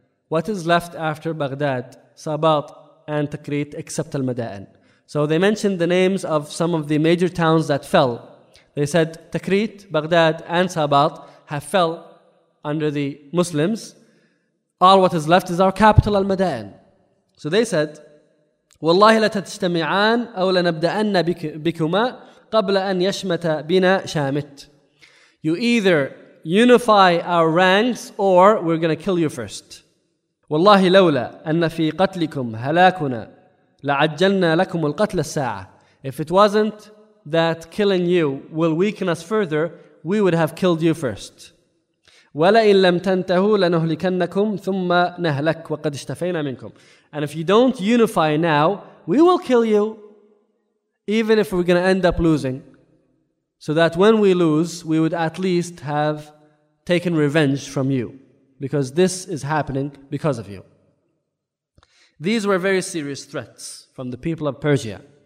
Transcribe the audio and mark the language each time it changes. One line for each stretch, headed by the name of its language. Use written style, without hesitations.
English: What is left after Baghdad, Sabat, and Takrit, except Al-Mada'in? So they mentioned the names of some of the major towns that fell. They said Takrit, Baghdad, and Sabat have fell under the Muslims. All what is left is our capital, Al-Mada'in. So they said,
Arabic: وَاللَّهِ لَتَتَجْتَمِعَانْ أَوْ لَنَبْدَأَنَّ بِكُمَا قَبْلَ أَنْ يَشْمَتَ بِنَا شَامِتْ.
English: You either unify our ranks or we're going to kill you first.
Arabic: والله لولا أن في قتلكم هلاكنا لعجلنا لكم القتل الساعة.
English: If it wasn't that killing you will weaken us further, we would have killed you first.
Arabic: ولئن لم تنتهوا لنهلكنكم ثم نهلك وقد اشتفينا منكم.
English: And if you don't unify now, we will kill you, even if we're going to end up losing, so that when we lose, we would at least have taken revenge from you. Because this is happening because of you. These were very serious threats from the people of Persia.